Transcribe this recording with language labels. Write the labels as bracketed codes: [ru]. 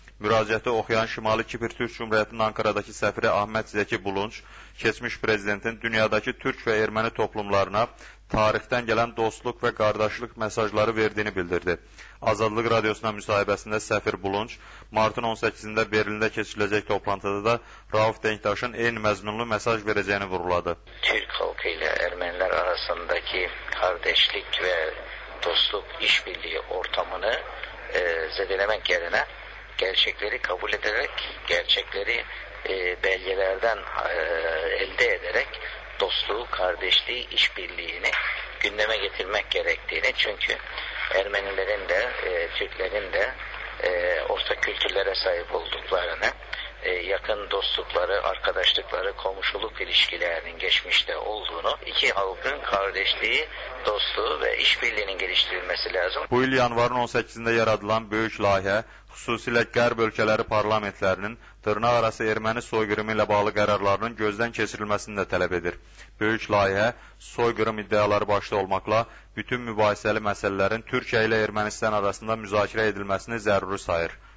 [az] Müraciəti oxuyan Şimali Kipr Türk Cümhuriyyətinin Ankaradakı səfiri Ahmet Zəki Bulunç, keçmiş prezidentin dünyadakı türk və erməni toplumlarına tarixdən gələn dostluq və qardaşlıq mesajları verdiyini bildirdi. Azadlıq radiosuna müsahibəsində səfir Bulunç, martın 18-də Berlində keçiriləcək toplantıda da Rauf Dənktaşın eyni məzmunlu mesaj verəcəyini vurguladı. [tr] Türk xalqı ilə ermənilər arasındakı qardaşlıq və dostluk işbirliği ortamını zedelemek yerine gerçekleri kabul ederek, gerçekleri belgelerden elde ederek dostluğu, kardeşliği, işbirliğini gündeme getirmek gerektiğini, çünkü Ermenilerin de Türklerin de ortak kültürlere sahip olduklarını, yakın dostlukları, arkadaşlıkları, komşuluk ilişkilerinin geçmişte olduğunu, iki halkın kardeşliği, dostluğu ve işbirliğinin geliştirilmesi lazım. [az] Bu il yanvarın 18'inde yaradılan büyük layihe, xüsusilə qərb ölkələri parlamentlərinin dırnaq arası erməni soyqırımı ilə bağlı qərarlarının gözdən keçirilməsini də tələb edir. Böyük layihə soyqırım iddiaları başda olmaqla bütün mübahisəli məsələlərin Türkiyə ilə Ermənistan arasında müzakirə edilməsini zəruri sayır.